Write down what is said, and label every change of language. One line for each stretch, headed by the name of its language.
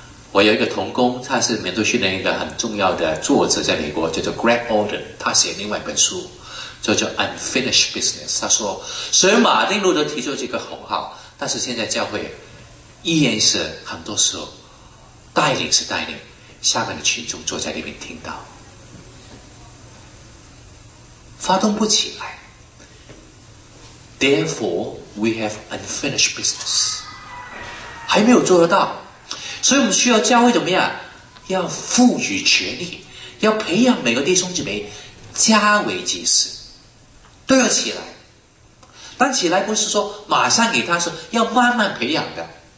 Chinese: 我有一个同工，他是门徒训练一个很重要的作者，在美国叫做 Greg Oden， 他写另外一本书叫 Unfinished Business。他说虽然马丁路德提出这个口号，但是现在教会依然是很多时候带领是带领，下面的群众坐在里面听到，发动不起来。
English: Therefore, we have unfinished business.
Chinese: 还没有做得到，所以我们需要教会怎么样？要赋予权力，要培养每个弟兄姐妹加为祭司，都要起来。但起来不是说马上给他说，要慢慢培养的。